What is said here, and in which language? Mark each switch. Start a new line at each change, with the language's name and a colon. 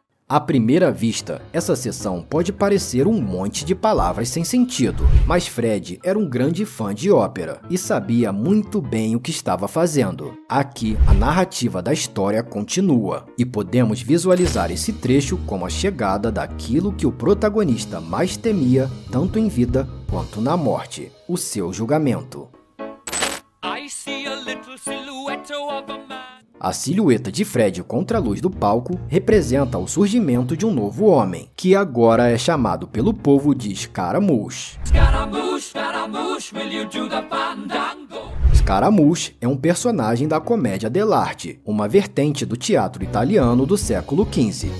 Portuguese: À primeira vista, essa sessão pode parecer um monte de palavras sem sentido, mas Fred era um grande fã de ópera e sabia muito bem o que estava fazendo. Aqui, a narrativa da história continua, e podemos visualizar esse trecho como a chegada daquilo que o protagonista mais temia, tanto em vida quanto na morte, o seu julgamento.
English: I see a little silhouette of a man.
Portuguese: A silhueta de Fred contra a luz do palco representa o surgimento de um novo homem, que agora é chamado pelo povo de Scaramouche. Scaramouche é um personagem da comédia dell'arte, uma vertente do teatro italiano do século XV.